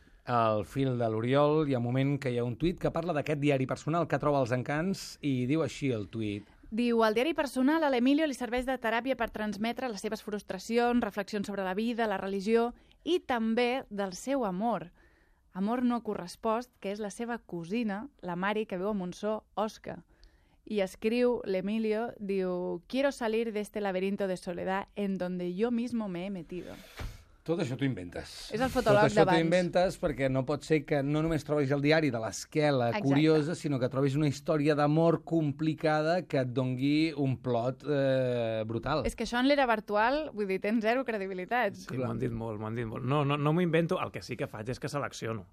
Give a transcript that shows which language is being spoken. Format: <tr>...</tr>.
<ca>Al fil de l'Oriol hi ha un moment que hi ha un tuit que parla d'aquest diari personal que troba els encants i diu així el tuit. Diu, el diari personal a l'Emilio li serveix de teràpia per transmetre les seves frustracions, reflexions sobre la vida, la religió i també del seu amor. Amor no correspost, que és la seva cosina, la Mari, que viu a Montsó, Osca. I escriu l'Emilio, diu,</ca> <es>quiero salir de este laberinto de soledad en donde yo mismo me he metido.</es> <ca>Tot això t'ho inventes. És el fotolog d'abans. Tot això t'ho inventes perquè no pot ser que no només trobis el diari de l'esquela curiosa, sinó que trobis una història d'amor complicada que et dongui un plot brutal. És que això en l'era virtual, vull dir, tens zero credibilitat. Sí, m'ho han dit molt, No m'ho invento, el que sí que faig és que selecciono.</ca>